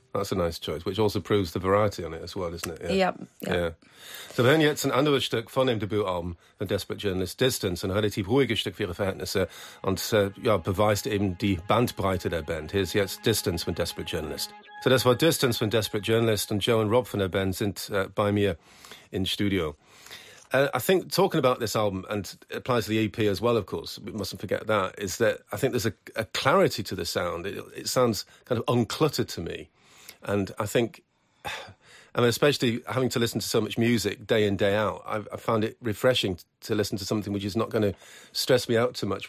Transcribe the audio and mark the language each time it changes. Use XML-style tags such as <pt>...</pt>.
<en>That's a nice choice, which also proves the variety on it as well, isn't it? Yeah. Yep. Yeah.</en> <de>So, wir hören jetzt ein anderes Stück von dem Debütalbum von Desperate Journalist, Distance, ein relativ ruhiges Stück für ihre Verhältnisse und ja, beweist eben die Bandbreite der Band. Hier ist jetzt Distance von Desperate Journalist. So, das war Distance von Desperate Journalist und Joe und Rob von der Band sind bei mir in Studio.</de> <en>I think talking about this album, and it applies to the EP as well, of course, we mustn't forget that, is that I think there's a clarity to the sound. It sounds kind of uncluttered to me. And I think, I mean, especially having to listen to so much music day in, day out, I found it refreshing to listen to something which is not going to stress me out too much.</en>